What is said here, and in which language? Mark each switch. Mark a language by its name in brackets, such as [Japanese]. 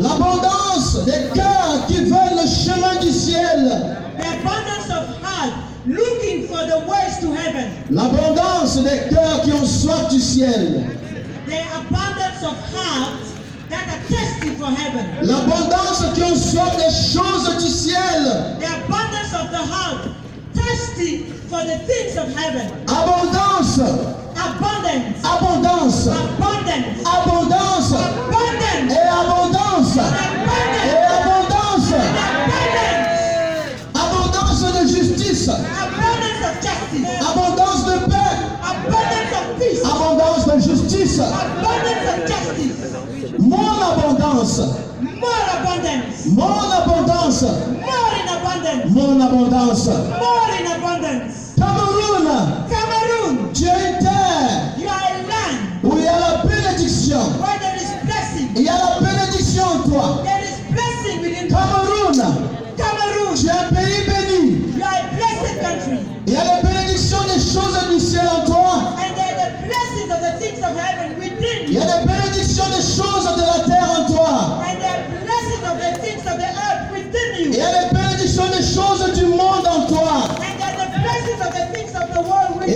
[French] L'abondance des cœurs qui veulent le chemin du ciel. [English] The abundance of heart looking for the ways to heaven. [French] L'abondance des cœurs qui ont soif du ciel. [English] The abundance of heart that are thirsty for heaven. [French] L'abondance qui ont soif des choses du ciel. [English] The abundance of the heart, thirsty for the things of heaven. [French] Abondance. [English] Abundance. [French] Abondance. [English] Abundance. [French] Abondance. [English] Abundance. [French] Et abondance. [English] Abundance. [French] Et abondance. [English] Abundance. [French] Abondance de justice. [English] Abundance of justice. [French] Abondance de paix. [English] Abundance of peace. [French] Abondance de justice. [English] Abundance of justice. [French] Mon abondance. [English] More abundance. [French] Mon abondance. [English] More in abundance. [French] Mon abondance. [English] More in abundance. [French] Cameroun. Cameroun. Tu es une terre. [English] You are a land. [French] Où il y a la bénédiction. [English] Where there is blessing. [French] Il y a la bénédiction en toi. [English] There is blessing within you. Cameroun. Cameroun. [French] Tu es un pays béni. [English] You are a blessed country. [French] Il y a la bénédiction des choses du ciel en toi. [English] And there are the blessings of the things of heaven within you. [French] Il y a la bénédiction des choses de la terre en toi. [English] And there are blessings of the things of the earth within you. [French] Il y a la bénédiction des choses du monde en toi. [English] And there are the blessings of the things of the world within